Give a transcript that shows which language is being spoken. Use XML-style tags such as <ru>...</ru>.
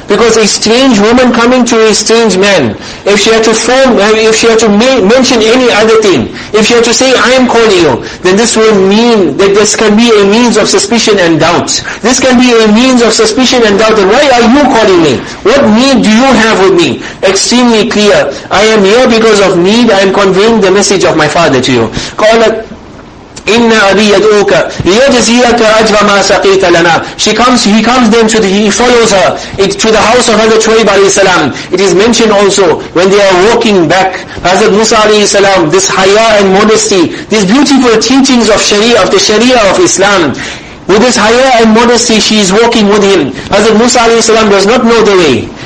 <en>Because a strange woman coming to a strange man, if she had to form, if she had to mention any other thing, if she had to say, I am calling you, then this will mean that this can be a means of suspicion and doubt. This can be a means of suspicion and doubt. Then why are you calling me? What need do you have with me? extremely clear. I am here because of need. I am conveying the message of my father to you.</en> <ar>قالت إن أبي يدعوك ليجزيك أجر ما سقيت لنا.</ar> <en>He follows her to the house of Hazrat Shuaib alayhi salam. It is mentioned also when they are walking back, Hazrat Musa alayhi salam, this haya and modesty, these beautiful teachings of Sharia, of the Sharia of Islam. With this haya and modesty, she is walking with him. Hazrat Musa alayhi salam does not know the way.</en>